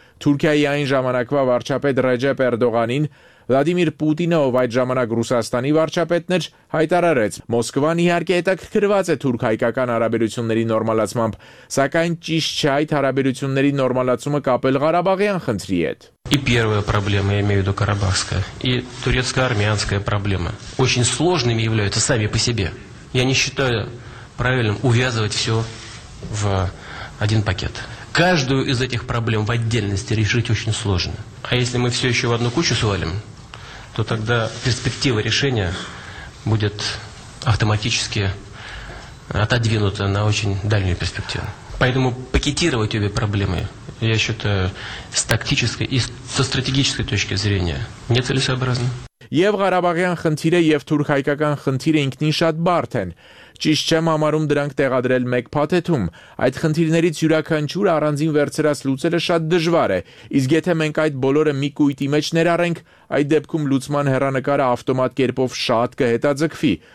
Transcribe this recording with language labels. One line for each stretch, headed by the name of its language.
Armenian: Թուրքիայի այն ժամանակվա վարչապետ Ռեջեփ Էրդողանին, Վլադիմիր Պուտինը, ով այդ ժամանակ Ռուսաստանի վարչապետն էր, հայտարարեց. Մոսկվան իհարկե հետաքրքրված է թուրք-հայկական հարաբերությունների նորմալացմամբ, սակայն ճիշտ չէ այդ հարաբերությունների նորմալացումը կապել Ղարաբաղյան խնդրի հետ.
Russian: И первая проблема, я имею в виду Карабахская, и турецко-армянская проблема. Очень сложными являются сами по себе. Я не считаю правильным увязывать все в один пакет. Каждую из этих проблем в отдельности решить очень сложно. А если мы все еще в одну кучу свалим, то тогда перспектива решения будет автоматически отодвинута на очень дальнюю перспективу. Поэтому пакетировать обе проблемы, я считаю, с тактической и со стратегической точки зрения нецелесообразно.
Armenian: Եվ Ղարաբաղյան խնդիրը եւ թուրք-հայկական խնդիրը ինքնին շատ բարդ են։ Ճիշտ չեմ համարում դրանք տեղադրել մեկ փաթեթում։ Այդ խնդիրներից յուրաքանչյուրը առանձին վերցրած լուծելը շատ դժվար է։ Իսկ եթե մենք այդ բոլորը մի կույտի մեջ ներառենք, այդ դեպքում լուծման հեռանկարը ավտոմատ կերպով շատ կհետաձգվի։